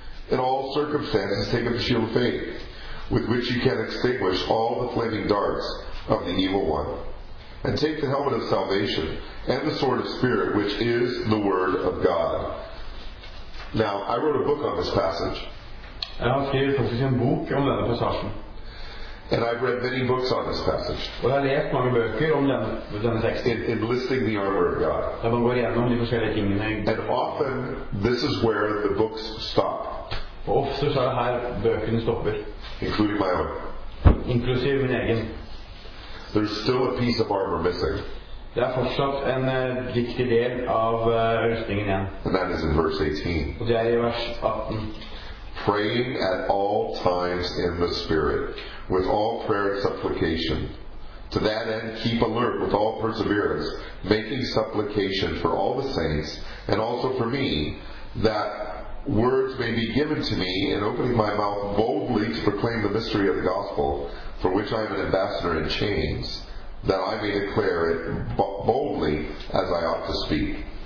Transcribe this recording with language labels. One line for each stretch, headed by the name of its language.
English: In all circumstances, take up the shield of faith, with which you can extinguish all the flaming darts of the evil one. And take the helmet of salvation, and the sword of spirit, which is the word of God. Now, I wrote a book on this passage.
Norwegian: Jeg har skrevet faktisk en bok om denne passasjen.
English: And I've read many books on this passage.
Norwegian: Og jeg har lest mange bøker om denne teksten.
English: In listing the armor of God.
Norwegian: Der man går gjennom de forskjellige tingene.
English: And often, this is where the books stop.
Norwegian: Og ofte så det her bøkene stopper.
English: Including my own.
Norwegian: Inklusiv min egen.
English: There's still a piece of armor missing.
Norwegian: Det fortsatt en viktig del av rustningen igjen.
English: And that is in verse 18.
Norwegian: Og det I vers 18.
English: Praying at all times in the Spirit, with all prayer and supplication. To that end, keep alert with all perseverance, making supplication for all the saints, and also for me, that words may be given to me in opening my mouth boldly to proclaim the mystery of the gospel, for which I am an ambassador in chains, that I may declare it boldly as I ought to speak.